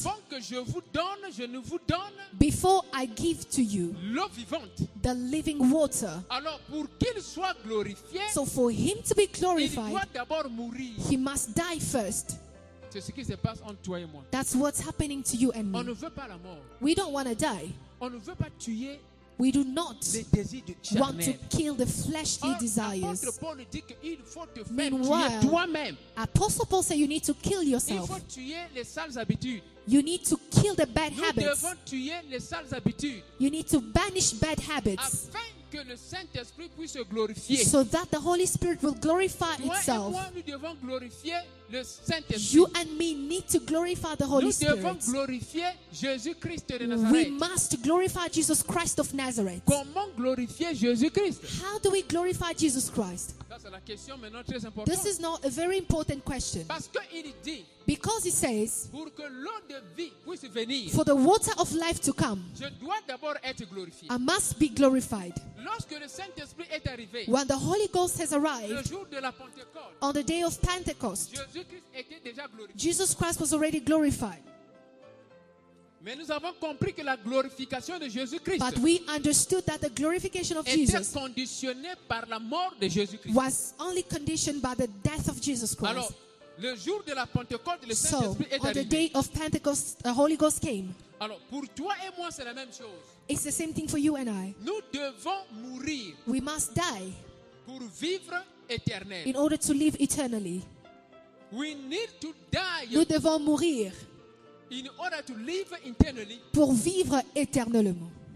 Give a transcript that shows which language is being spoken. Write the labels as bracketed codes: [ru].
[fr] Avant que je vous donne, je ne vous donne. [en] Before I give to you [fr] l'eau vivante, [en] the living water. [fr] Alors, pour qu'il soit glorifié, [en] so for him to be glorified, [fr] il doit d'abord mourir. [en] He must die first. [fr] C'est ce qui se passe entre toi et moi. [en] That's what's happening to you and me. [fr] On ne veut pas la mort. [en] We don't want to die. [fr] On ne veut pas tuer. [en] We do not want to kill the fleshly or, desires. [fr] Apostle Paul dit qu'il faut te faire [en] meanwhile, [fr] tuer toi-même. [en] Apostle Paul said you need to kill yourself. [fr] Il faut tuer les sales habitudes. [en] You need to kill the bad habits. [fr] Nous devons tuer les sales habitudes. [en] You need to banish bad habits. [fr] Afin que le Saint-Esprit puisse se glorifier. [en] So that the Holy Spirit will glorify itself. [fr] Toi et moi, nous devons glorifier le Saint-Esprit. [en] You and me need to glorify the Holy Spirit. [fr] Nous devons glorifier Jésus-Christ de Nazareth. [en] We must glorify Jesus Christ of Nazareth. [fr] Comment glorifier Jésus-Christ? [en] How do we glorify Jesus Christ? [fr] Ça, c'est la question, mais non, très [en] important. This is not a very important question. [fr] Parce que il dit, [en] because he says, [fr] pour que l'eau de vie puisse venir, [en] for the water of life to come, [fr] je dois d'abord être glorifié. [en] I must be glorified. [fr] Lorsque le Saint-Esprit est arrivé, [en] when the Holy Ghost has arrived, [fr] le jour de la Pentecôte, [en] on the day of Pentecost, [fr] Jésus-Christ était déjà glorifié. [en] Jesus Christ was already glorified. [fr] Mais nous avons compris que la glorification de Jésus-Christ, [en] but we understood that the glorification of Jesus, [fr] était conditionnée par la mort de Jésus-Christ, [en] was only conditioned by the death of Jesus Christ. [fr] Alors, le jour de la Pentecôte, le Saint-Esprit [en] so, [fr] est [en] on [fr] arrivé. [en] The day of Pentecost, the Holy Ghost came. [fr] Alors, pour toi et moi, c'est la même chose. [en] It's the same thing for you and I. [fr] Nous devons mourir, [en] we must die, [fr] pour vivre éternel, [en] in order to live eternally. We need to die. [fr] Nous devons mourir. [en] In order to live eternally, [fr] pour vivre éternellement.